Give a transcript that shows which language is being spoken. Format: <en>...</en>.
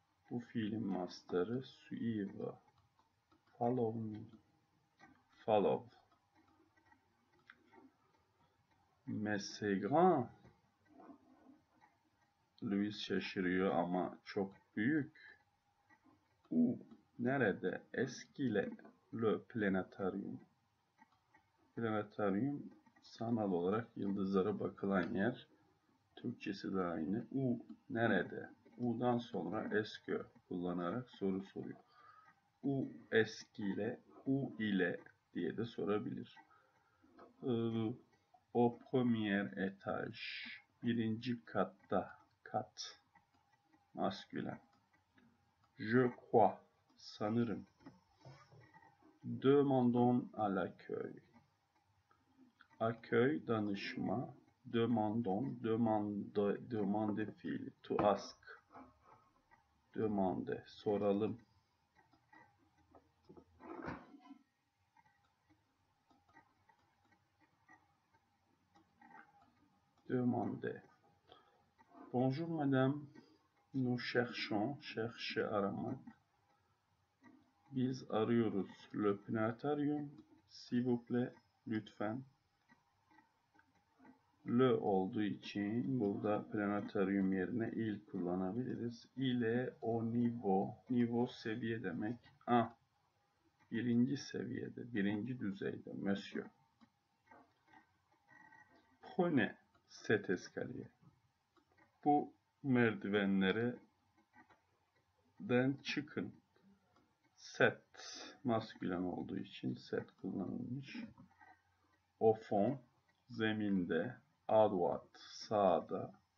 <tr>Bu fiilin masterı suive.</tr> <en>Follow me, follow.</en> <fr>Mais c'est grand.</fr> <tr>Louis şaşırıyor ama çok büyük.</tr> <fr>Où, nerede, est-ce qu'il est le planétarium?</fr> <tr>Planétarium, sanal olarak yıldızlara bakılan yer. Türkçesi de aynı. Où, nerede? Où'dan sonra est-ce que kullanarak soru soruyor.</tr> <fr>Où, est-ce qu'il est, où il est</fr> <tr>diye de sorabilir.</tr> <fr>Au premier étage,</fr> <tr>birinci katta, kat, maskülen.</tr> <fr>Je crois, sanırım. Demandons à l'accueil.</fr> <tr>Accueil, danışma, demandons, demande fiil,</tr> <en>to ask.</en> <tr>Demande, soralım.</tr> <fr>Demande. Bonjour madame, nous cherchons, cherche aramak.</fr> <tr>Biz arıyoruz,</tr> <fr>le planétarium, s'il vous plaît,</fr> <tr>lütfen. Le olduğu için burada planétarium yerine il kullanabiliriz.</tr> <fr>Il est au niveau, niveau</fr> <tr>seviye demek. Ah, birinci seviyede, birinci düzeyde, monsieur.</tr> <fr>Prenez cet escalier.</fr> <tr>Bu merdivenlerden çıkın. Set, maskülen olduğu için set kullanılmış.</tr> <fr>Au fond, zeminde, à droite, sağda.</fr>